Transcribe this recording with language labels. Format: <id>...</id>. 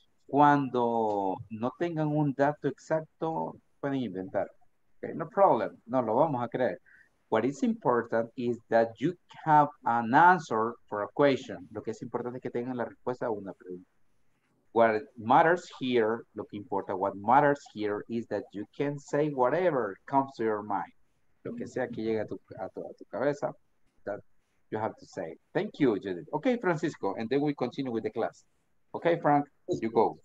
<es>Cuando no tengan un dato exacto, pueden inventar.</es> <en>Okay, no problem.</en> <es>No lo vamos a creer.</es> <en>What is important is that you have an answer for a question.</en> <es>Lo que es importante es que tengan la respuesta a una pregunta.</es> <en>What matters here,</en> <es>lo que importa,</es> <en>what matters here is that you can say whatever comes to your mind.</en> <es>Lo que sea que llegue a tu cabeza,</es> <en>that you have to say. Thank you, Judith. Okay, Francisco, and then we continue with the class. Okay, Frank, you go.</en>